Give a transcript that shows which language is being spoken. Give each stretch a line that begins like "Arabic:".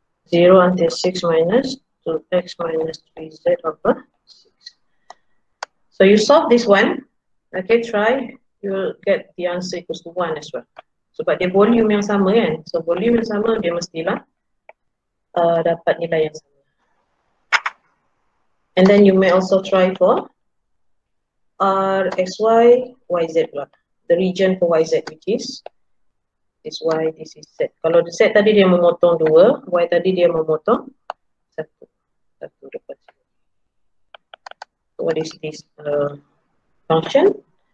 English: 0 until 6 minus 2x minus 3z over 6. So you solve this one. Okay, try. You'll get the answer equals to 1 as well.
Malay: Sebab dia volume yang sama kan. So volume yang sama dia mestilah dapat nilai yang sama.
English: And then you may also try for Rxy, yz pula. The region for yz which is this y, this is z.
Malay: Kalau the z tadi dia memotong 2, y tadi dia memotong 1.
English: 1 dapat 0. So what is this function?